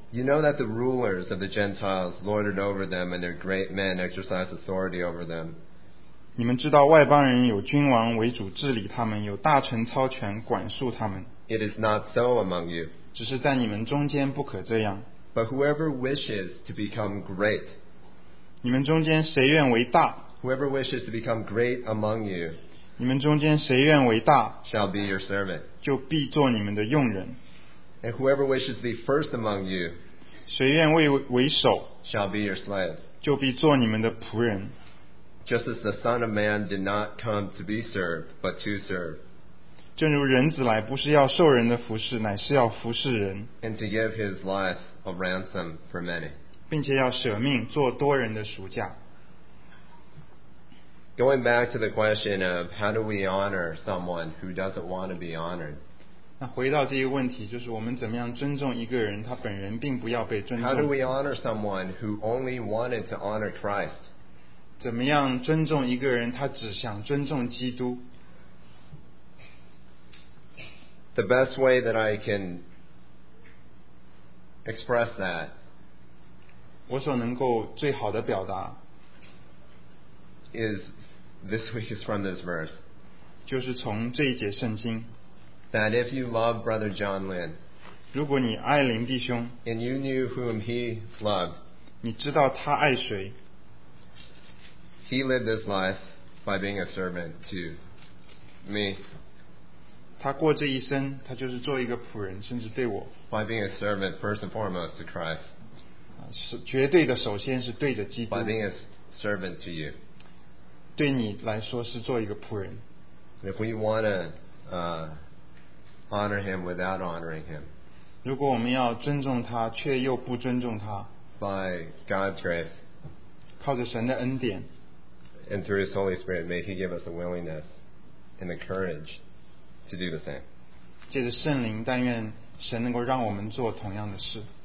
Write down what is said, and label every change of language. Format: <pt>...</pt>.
<en>You know that the rulers of the Gentiles lord it over them, and their great men exercise authority over them.</en> <zh>你们知道外邦人有君王为主治理他们，有大臣操权管束他们。</zh> <en>It is not so among you.</en> <zh>只是在你们中间不可这样。</zh> <en>But whoever wishes to become great,</en> <zh>你们中间谁愿为大？</zh> <en>Whoever wishes to become great among you,</en> <zh>你们中间谁愿为大,</zh> <en>shall be your servant.</en> <zh>就必做你们的用人。</zh> <en>And whoever wishes to be first among you,</en> <zh>谁愿为首,</zh> <en>shall be your slave.</en> <zh>就必做你们的仆人。</zh> <en>Just as the Son of Man did not come to be served, but to serve.</en> <zh>正如人子来不是要受人的服侍，乃是要服侍人。</zh> <en>And to give his life a ransom for many.</en> <zh>并且要舍命做多人的赎价。</zh> <en>Going back to the question of how do we honor someone who doesn't want to be honored?</en> <zh>那回到这个问题，就是我们怎么样尊重一个人，他本人并不要被尊重。</zh> <en>How do we honor someone who only wanted to honor Christ?</en> <zh>怎么样尊重一个人，他只想尊重基督？</zh> <en>The best way that I can express that,</en> <zh>我所能够最好的表达。</zh> <en>Is this week is from this verse.</en> <zh>就是从这一节圣经。</zh> <en>That if you love Brother John Lin,</en> <zh>如果你爱林弟兄,</zh> <en>and you knew whom he loved,</en> <zh>你知道他爱谁。</zh> <en>He lived his life by being a servant to me.</en> <zh>他过这一生，他就是做一个仆人，甚至对我。</zh> <en>By being a servant first and foremost to Christ.</en> <zh>是绝对的，首先是对着基督。</zh> <en>By being a servant to you.</en> <zh>对你来说是做一个仆人。</zh> <en>If we want to honor him without honoring him.</en> <zh>如果我们要尊重他，却又不尊重他。</zh> <en>By God's grace.</en> <zh>靠着神的恩典。</zh> <en>And through His Holy Spirit, may He give us the willingness and the courage to do the same.</en> <zh>借着圣灵，但愿神能够让我们做同样的事。</zh>